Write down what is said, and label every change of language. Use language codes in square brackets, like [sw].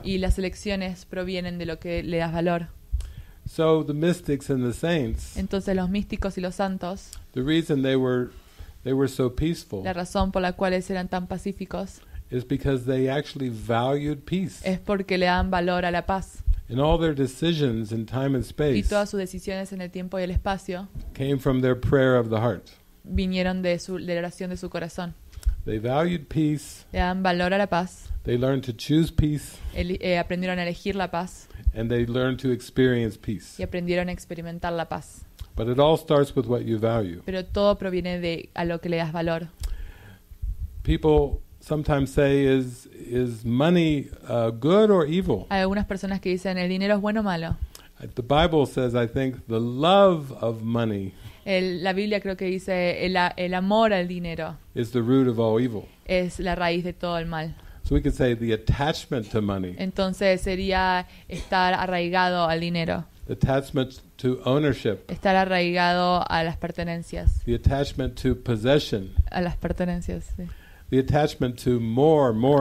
[es] Y las elecciones provienen de lo que le das valor. [en] So the mystics and the saints. [es] Entonces los místicos y los santos. [en] The reason they were so peaceful. [es] La razón por la cual eran tan pacíficos. [en] Is because they actually valued peace. [es] Es porque le dan valor a la paz. [en] And all their decisions in time and space. [es] Y todas sus decisiones en el tiempo y el espacio. [en] Came from their prayer of the heart. [es] Vinieron de su de la oración de su corazón. [en] They valued peace. [es] Le dan valor a la paz. [en] They learned to choose peace. [es] Aprendieron a elegir la paz. [en] And they learned to experience peace. [es] Y aprendieron a experimentar la paz. [en] But it all starts with what you value. [es] Pero todo proviene de a lo que le das valor. [en] People sometimes say, "Is money good or evil?" [es] Hay algunas personas que dicen, ¿el dinero es bueno o malo? [en] The Bible says, I think, the love of money. [es] La Biblia creo que dice el amor al dinero. [en] Is the root of all evil. [es] Es la raíz de todo el mal. [en] So we could say the attachment to money. [es] Entonces sería estar arraigado al dinero. [en] The attachment to ownership. [es] Estar arraigado a las pertenencias. [en] The attachment to possession. [es] A las pertenencias. Sí. [en] The attachment to more.